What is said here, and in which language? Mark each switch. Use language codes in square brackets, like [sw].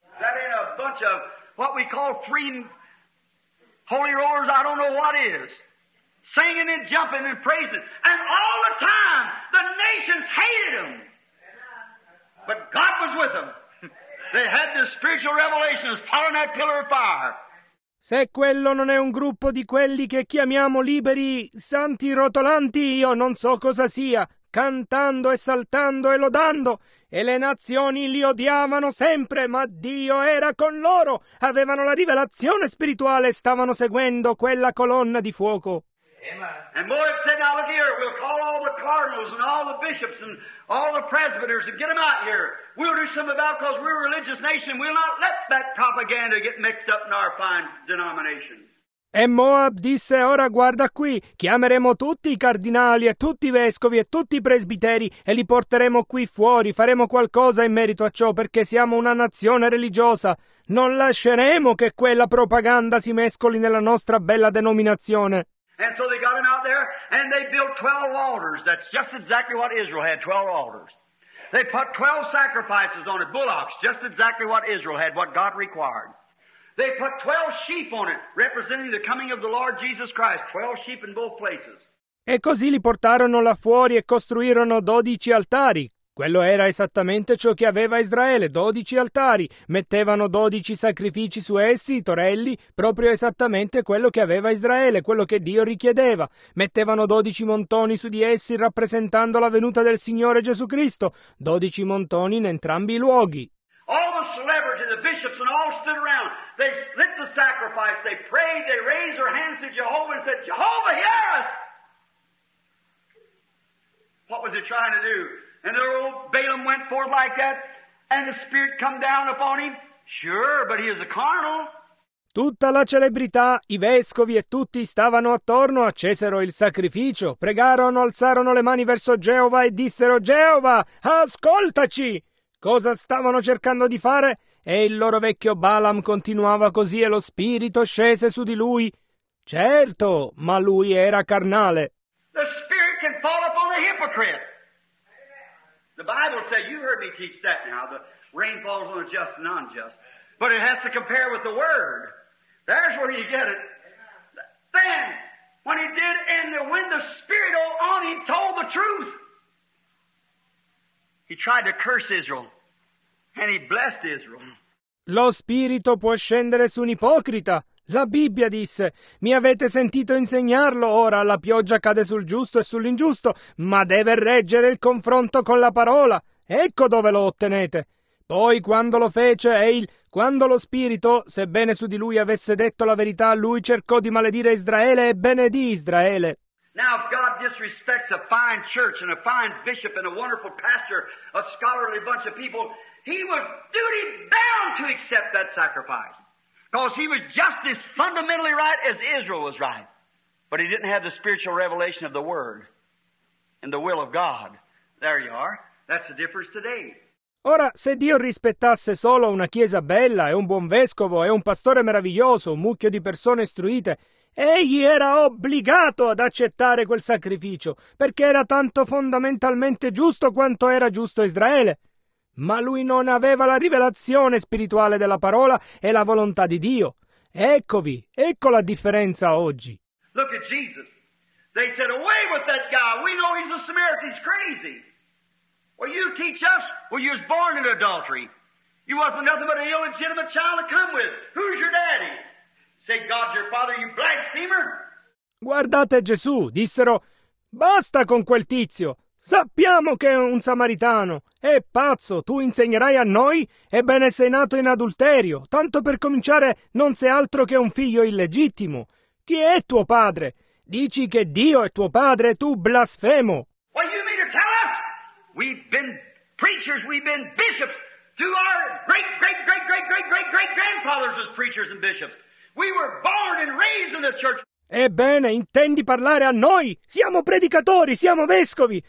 [en] That ain't a bunch of what we call free holy rollers, I don't know what is. Singing and jumping and praising. And all the time, the nations hated them. But God was with them. They had the spiritual revelations following that pillar of fire. [it] Se quello non è un gruppo di quelli che chiamiamo liberi santi rotolanti, io non so cosa sia, cantando e saltando e lodando. E le nazioni li odiavano sempre, ma Dio era con loro. Avevano la rivelazione spirituale e stavano seguendo quella colonna di fuoco. [en] And Moab said, now look here, we'll call all the cardinals and all the bishops and all the presbyters and get them out here. We'll do something about it because we're a religious nation. We'll not let that propaganda get mixed up in our fine denomination. [it] E Moab disse, ora guarda qui, chiameremo tutti i cardinali e tutti i vescovi e tutti i presbiteri e li porteremo qui fuori, faremo qualcosa in merito a ciò perché siamo una nazione religiosa. Non lasceremo che quella propaganda si mescoli nella nostra bella denominazione. [en] And so they got him out there, and they built 12 altars. That's just exactly what Israel had, 12 altars. They put 12 sacrifices on it, bullocks, just exactly what Israel had, what God required. They put 12 sheep on it, representing the coming of the Lord Jesus Christ, 12 sheep in both places. [it] E così li portarono là fuori e costruirono 12 altari. Quello era esattamente ciò che aveva Israele, 12 altari. Mettevano 12 sacrifici su essi, i torelli, proprio esattamente quello che aveva Israele, quello che Dio richiedeva. Mettevano 12 montoni su di essi, rappresentando la venuta del Signore Gesù Cristo. 12 montoni in entrambi i luoghi. [en] All the celebrity, the bishops and all stood around. They lit the sacrifice, they prayed, they raised their hands to Jehovah and said, Jehovah, hear us! What was he trying to do? And the old Balaam went forth like that, and the Spirit come down upon him. Sure, but he is a carnal. [it] Tutta la celebrità, i vescovi e tutti stavano attorno, accesero il sacrificio, pregarono, alzarono le mani verso Geova e dissero, Geova, ascoltaci! Cosa stavano cercando di fare? E il loro vecchio Balaam continuava così e lo Spirito scese su di lui. Certo, ma lui era carnale. [en] The Spirit can fall upon the hypocrite. The Bible says, you heard me teach that now, the rain falls on the just and unjust. But it has to compare with the Word. There's where you get it. Then, when he did, and when the Spirit on him told the truth, he tried to curse Israel, and he blessed Israel. [it] Lo Spirito può scendere su un ipocrita. La Bibbia disse, mi avete sentito insegnarlo, ora la pioggia cade sul giusto e sull'ingiusto, ma deve reggere il confronto con la parola. Ecco dove lo ottenete. Poi quando lo fece, quando lo Spirito, sebbene su di lui avesse detto la verità, lui cercò di maledire Israele e benedì Israele. [en] Now if God disrespects a fine church and a fine bishop and a wonderful pastor, a scholarly bunch of people, he was duty bound to accept that sacrifice. Because he was just as fundamentally right as Israel was right. But he didn't have the spiritual revelation of the Word and the will of God. There you are. That's the difference today. [it] Ora, se Dio rispettasse solo una chiesa bella e un buon vescovo e un pastore meraviglioso, un mucchio di persone istruite, egli era obbligato ad accettare quel sacrificio, perché era tanto fondamentalmente giusto quanto era giusto Israele. Ma lui non aveva la rivelazione spirituale della parola e la volontà di Dio. Eccovi, ecco la differenza oggi. [en] Look at Jesus. They said, away with that guy. We know he's a Samaritan. He's crazy. Well, you teach us. Well, you was born in adultery. You wasn't nothing but an illegitimate child to come with. Who's your daddy? Say, God's your father, you blasphemer. [it] Guardate Gesù, dissero, basta con quel tizio. Sappiamo che è un samaritano. È pazzo, tu insegnerai a noi? Ebbene, sei nato in adulterio. Tanto per cominciare, non sei altro che un figlio illegittimo. Chi è tuo padre? Dici che Dio è tuo padre, tu blasfemo. [en] What do you mean to tell us? We've been preachers, we've been bishops. To our great, great, great, great, great, great, great grandfathers as preachers and bishops. We were born and raised in the church. [it] Ebbene, intendi parlare a noi? Siamo predicatori, siamo vescovi!